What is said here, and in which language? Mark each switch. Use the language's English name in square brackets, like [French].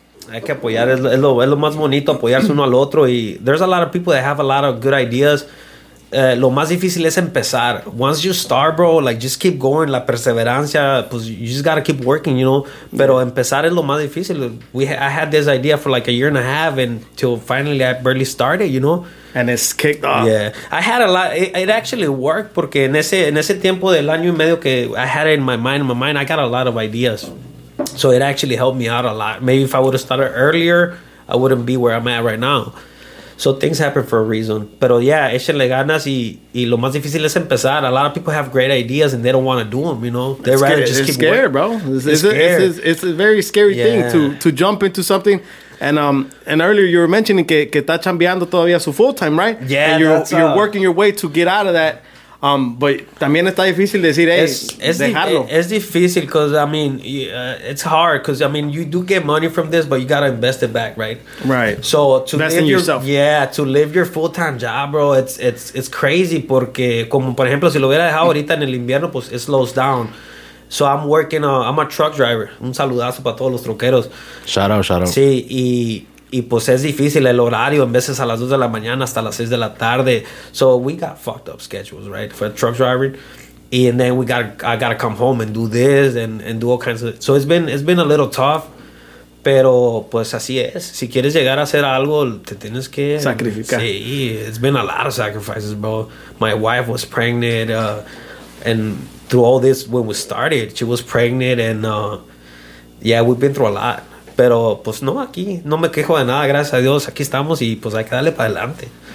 [Spanish] Hay que apoyar, es lo más bonito, apoyarse uno al otro. [English] Y there's a lot of people that have a lot of good ideas. [Spanish] Lo más difícil es empezar. [English] Once you start, bro, like, just keep going. [Spanish] La perseverancia, pues, [English] you just got to keep working, you know? [Spanish] Pero empezar es lo más difícil. [English] I had this idea for, like, a year and a half until finally I barely started, you know? And it's kicked off. Yeah. I had a lot. It actually worked [Spanish] porque en ese tiempo del año y medio que [English] I had it in my mind, I got a lot of ideas. So it actually helped me out a lot. Maybe if I would have started earlier, I wouldn't be where I'm at right now. So things happen for a reason. [Spanish] Pero yeah, échenle ganas y lo más difícil es empezar. [English] A lot of people have great ideas and they don't want to do them, you know? They'd rather just keep scared, working. It's a very scary thing to jump into something. And earlier you were mentioning [Spanish] que está chambeando todavía su [English] full time, right? Yeah, and you're working your way to get out of that. [Spanish] But también está difícil decir, hey, dejarlo. Es difícil [English] because, I mean, it's hard because, I mean, you do get money from this, but you got to invest it back, right? Right. So to invest in yourself. Yeah, to live your full-time job, bro, it's crazy [Spanish] porque, como por ejemplo, si lo hubiera dejado ahorita en el invierno, pues [English] it slows down. So I'm working, I'm a truck driver. [Spanish] Un saludazo para todos los troqueros. [English] Shout out. [Spanish] Sí, y pues es difícil el horario, en veces a las 2 de la mañana hasta las 6 de la tarde. [English] So we got fucked up schedules, right? For truck driving. And then I got to come home and do this and do all kinds of... So it's been a little tough, [Spanish] pero pues así es. Si quieres llegar a hacer algo, te tienes que... Sacrificar. Sí, [English] it's been a lot of sacrifices, bro. My wife was pregnant and through all this when we started, she was pregnant and we've been through a lot. [Spanish] Pero, pues, no, aquí no me quejo de nada. Gracias a Dios, aquí estamos y, pues, hay que darle para adelante.